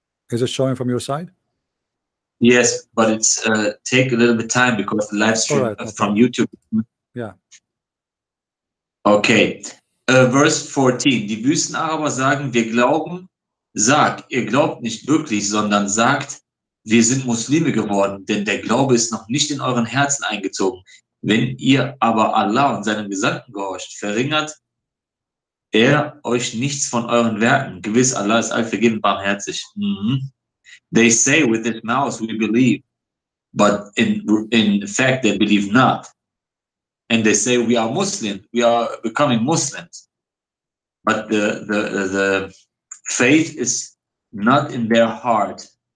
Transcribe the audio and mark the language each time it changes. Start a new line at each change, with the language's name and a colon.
English: Is it showing from your side? Yes, but it's take a little bit of time because the live stream from YouTube. Yeah. Okay. Verse 14.
German: Die Wüsten aber sagen, wir glauben, sag, ihr glaubt nicht wirklich, sondern sagt, wir sind Muslime geworden, denn der Glaube ist noch nicht in euren Herzen eingezogen. Wenn ihr aber Allah und seinem Gesandten gehorcht, verringert er euch nichts von euren Werken. Gewiss, Allah ist allvergebend, barmherzig. Mm-hmm.
English: They say with their mouths we believe, but in fact they believe not. And they say we are Muslim, we are becoming Muslims, but the faith is not in their heart.